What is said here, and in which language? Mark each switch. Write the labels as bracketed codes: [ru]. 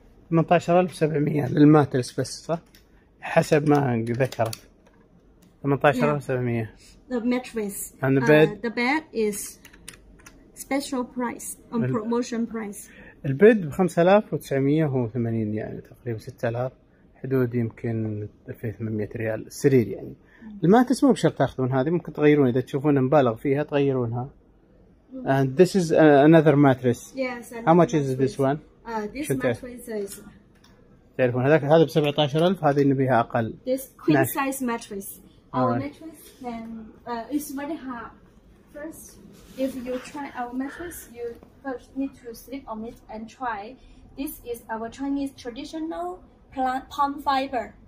[ar] 18700 للماترس بس صح؟ حسب ما ذكرت 18700 [en] The mattress And the bed The bed is special price on promotion price [ar] البيد ب 5980 يعني تقريبا 6000 حدود يمكن 2800 ريال السرير يعني الماترس مو بشرط تاخذون هذه ممكن تغيرون اذا تشوفون مبالغ فيها تغيرونها [en] And this is another mattress Yes How much is this one? This mattress [ar] تعرفون هذا ب 17000 هذه نبيها اقل [en] This queen size mattress Our mattress can it's very hard First if you try our mattress you first need to sleep on it and try This is our Chinese traditional palm fiber